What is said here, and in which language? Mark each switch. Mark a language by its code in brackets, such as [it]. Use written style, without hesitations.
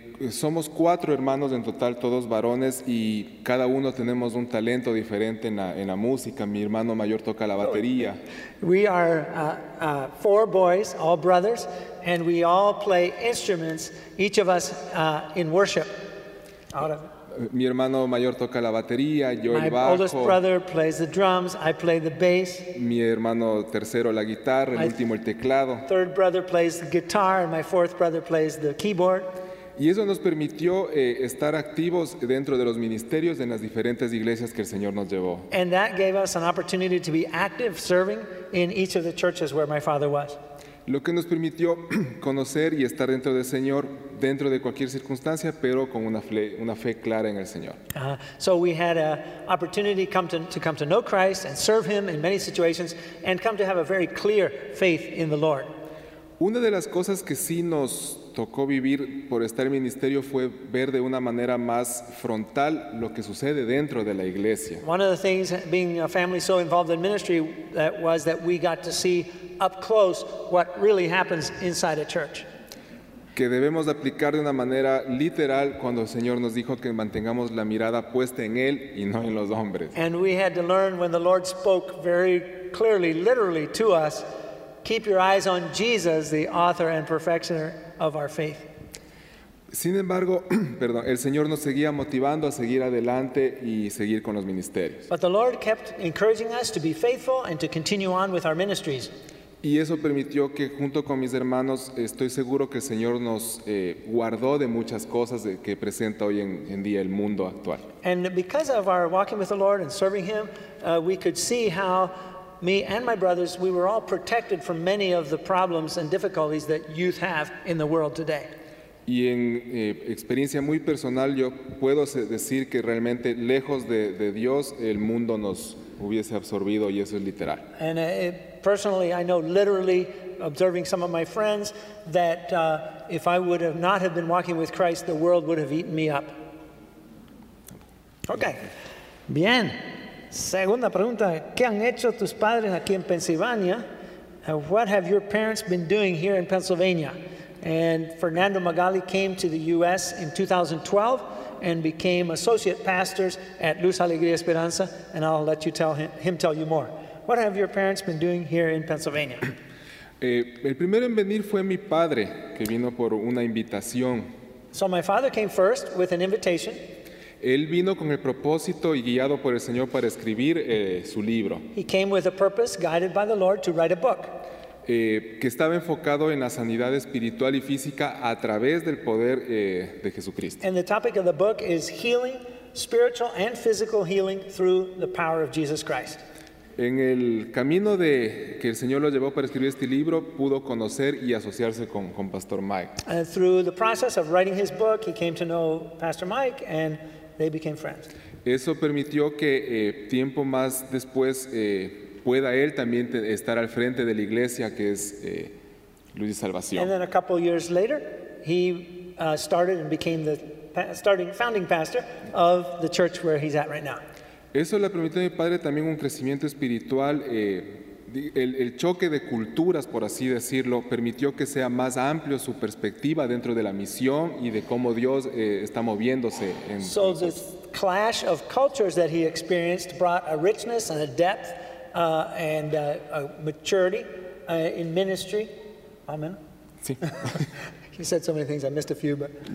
[es] Somos cuatro hermanos en total, todos varones, y cada uno tenemos un talento diferente en la música. Mi hermano mayor toca la batería. [en] We are four boys, all brothers, and we all play instruments, each of us in worship. [es] Mi hermano mayor toca la batería, yo el bajo. [en] My oldest brother plays the drums, I play the bass. [es] Mi hermano tercero la guitarra, el último el teclado. [en] My third brother plays the guitar, and my fourth brother plays the keyboard. [es] Y eso nos permitió estar activos dentro de los ministerios en las diferentes iglesias que el Señor nos llevó. [en] And that gave us an opportunity to be active serving in each of the churches where my father was. [es] Lo que nos permitió conocer y estar dentro del Señor, dentro de cualquier circunstancia, pero con una fe clara en el Señor. [en] So we had an opportunity to come to know Christ and serve Him in many situations and come to have a very clear faith in the Lord. [es] Una de las cosas que sí nos tocó vivir por estar en ministerio fue ver de una manera más frontal lo que sucede dentro de la iglesia. [en] One of the things being a family so involved in ministry that was that we got to see up close what really happens inside a church. [es] Que debemos aplicar de una manera literal cuando el Señor nos dijo que mantengamos la mirada puesta en Él y no en los hombres. [en] And we had to learn when the Lord spoke very clearly, literally to us, keep your eyes on Jesus, the author and perfecter of our faith. [es] Sin embargo, perdón, el Señor nos seguía motivando a seguir adelante y seguir con los ministerios. [en] But the Lord kept encouraging us to be faithful and to continue on with our ministries. [es] Y eso permitió que junto con mis hermanos, estoy seguro que el Señor nos guardó de muchas cosas que presenta hoy en día el mundo actual. [en] And because of our walking with the Lord and serving Him, we could see how me and my brothers, we were all protected from many of the problems and difficulties that youth have in the world today. [es] Y en experiencia muy personal, yo puedo decir que realmente lejos de Dios, el mundo nos hubiese absorbido, y eso es literal. [en] And personally, I know literally, observing some of my friends, that if I would have not have been walking with Christ, the world would have eaten me up. [es] Okay. Bien. Segunda pregunta, ¿qué han hecho tus padres aquí en Pensilvania? [en] What have your parents been doing here in Pennsylvania? And Fernando Magali came to the U.S. in 2012 and became associate pastors at Luz Alegría Esperanza, and I'll let you tell him tell you more. What have your parents been doing here in Pennsylvania? [es] El primero en venir fue mi padre, que vino por una invitación. [en] So my father came first with an invitation. [es] Él vino con el propósito y guiado por el Señor para escribir su libro. [en] He came with a purpose, guided by the Lord, to write a book. [es] Que estaba enfocado en la sanidad espiritual y física a través del poder de Jesucristo. [en] And the topic of the book is healing, spiritual and physical healing through the power of Jesus Christ. [es] En el camino de que el Señor lo llevó para escribir este libro, pudo conocer y asociarse con Pastor Mike. [en] And through the process of writing his book, he came to know Pastor Mike and they became friends. [es] Eso permitió que tiempo más después pueda él también estar al frente de la iglesia que es Luz y Salvación. [en] And then a couple years later, he started and became the founding pastor of the church where he's at right now. [es] Eso le permitió a mi padre también un crecimiento espiritual. El choque de culturas, por así decirlo, permitió que sea más amplio su perspectiva dentro de la misión y de cómo Dios está moviéndose. [en] So the clash of cultures that he experienced brought a richness and a depth and a maturity in ministry. Amen. [es] Sí. [en] He said so many things, I missed a few, but...